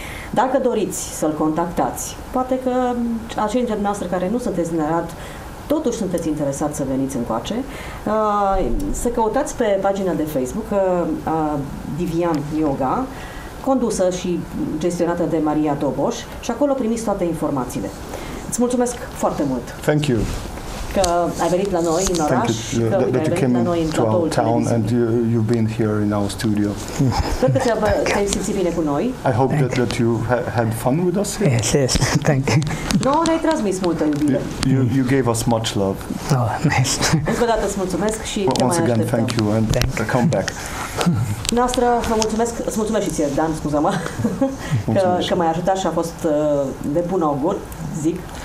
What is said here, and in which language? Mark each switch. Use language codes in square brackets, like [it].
[ro] Dacă doriți să-l contactați, poate că acei dintre noastre care nu sunteți în Arad, totuși sunteți interesați să veniți încoace, să căutați pe pagina de Facebook Divian Yoga, condusă și gestionată de Maria Doboș, și acolo primiți toate informațiile. Îți mulțumesc foarte mult. [en] Thank you. [ro] Că ai venit la noi în oraș, [en] that you came to our town and you've been here in our studio. [ro] Sper că te-ai simțit bine cu noi. [en] I hope that you had fun with us here. Yes, thank you. [ro] No, ne-ai transmis multă iubire. [en] You gave us much love. Oh, nice. [ro] Încă o dată îți mulțumesc și te mai [en] Once again, [ro] așteptăm. [en] Thank you and thank come back. [ro] Noastră, îți mulțumesc și ție, Dan, scuză-mă, că m-ai ajutat și a fost de bun augur, zic.